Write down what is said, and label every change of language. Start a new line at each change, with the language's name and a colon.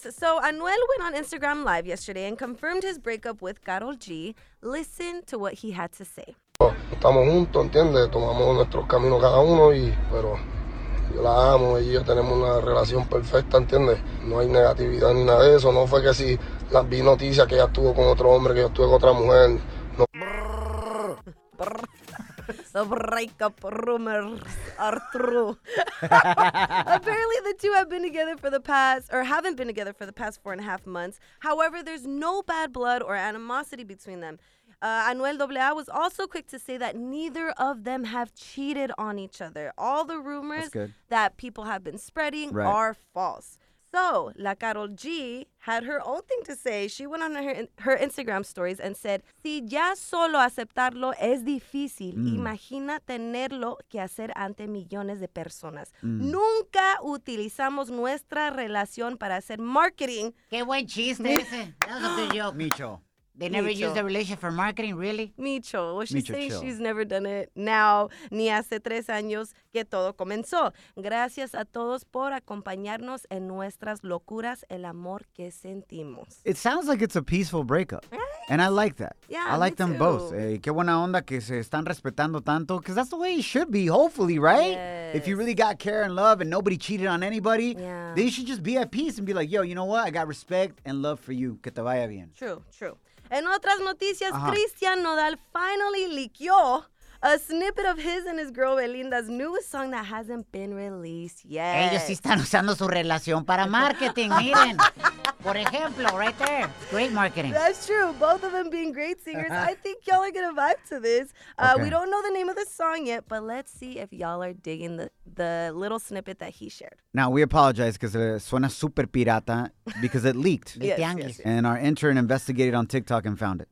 English: So Anuel went on Instagram Live yesterday and confirmed his breakup with Karol G. Listen to what he had to say.
Spanish: Estamos juntos, ¿entiendes? Tomamos nuestros caminos cada uno, pero yo la amo y yo tenemos una relación perfecta, ¿entiendes? No hay negatividad ni nada de eso. No fue que si las vi noticias que ella estuvo con otro hombre, que yo estuve con otra mujer. No.
English: The breakup rumors are true. Apparently, the two have been together for the past, or haven't been together for the past 4.5 months. However, there's no bad blood or animosity between them. Anuel AA was also quick to say that neither of them have cheated on each other. All the rumors that people have been spreading are false. So, La Karol G had her own thing to say. She went on her Instagram stories and said,
Spanish: si ya solo aceptarlo es difícil, imagina tenerlo que hacer ante millones de personas. Nunca utilizamos nuestra relación para hacer marketing. Qué buen chiste ese.
English: That was a good joke. Micho. They never use the relationship for marketing, really? Micho. Well, she's saying she's never done it now,
Spanish: ni hace tres años que todo comenzó. Gracias a todos por acompañarnos en nuestras locuras, el amor que sentimos.
English: It sounds like it's a peaceful breakup. Right? And I like that. Yeah, I like them too. Both.
Spanish: Hey, qué buena onda que se están respetando tanto.
English: Because that's the way it should be, hopefully, right? Yes. If you really got care and love and nobody cheated on anybody, yeah, then you should just be at peace and be like, yo, you know what? I got respect and love for you.
Spanish: Que te vaya bien.
English: True.
Spanish: En otras noticias,
English: Christian Nodal finally leaked a snippet of his and his girl Belinda's newest song that hasn't been released yet.
Spanish: Ellos sí están usando su relación para marketing, miren. Por ejemplo,
English: right there. Great marketing. That's true. Both of them being great singers. I think y'all are going to vibe to this. Okay. We don't know the name of the song yet, but let's see if y'all are digging the little snippet that he shared. Now, we apologize because it
Spanish: suena super pirata
English: because it leaked. Yes. And our intern investigated on TikTok and found it.